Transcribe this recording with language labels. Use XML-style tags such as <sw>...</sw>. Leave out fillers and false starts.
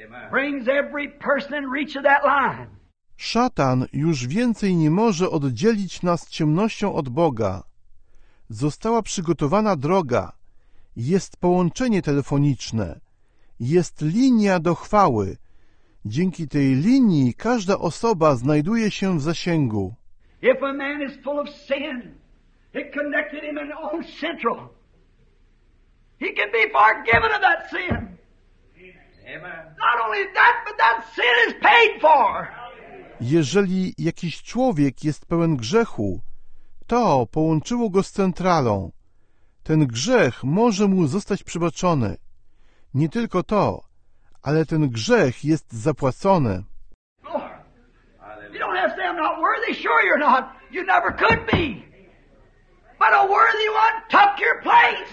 <en>Brings every person in reach of that line.</en> <pl>Szatan już więcej nie może oddzielić nas ciemnością od Boga. Została przygotowana droga. Jest połączenie telefoniczne. Jest linia do chwały. Dzięki tej linii każda osoba znajduje się w zasięgu.</pl> <en>If a man is full of sin, it connected him in all central. He can be forgiven of that sin. Amen. Not only that, but that sin is paid for.</en> <pl>Jeżeli jakiś człowiek jest pełen grzechu, to połączyło go z centralą. Ten grzech może mu zostać przebaczony. Nie tylko to, ale ten grzech jest zapłacony.</pl> <en>You don't have to say I'm not worthy. Sure you're not. You never could be. But a worthy one took your place.</en>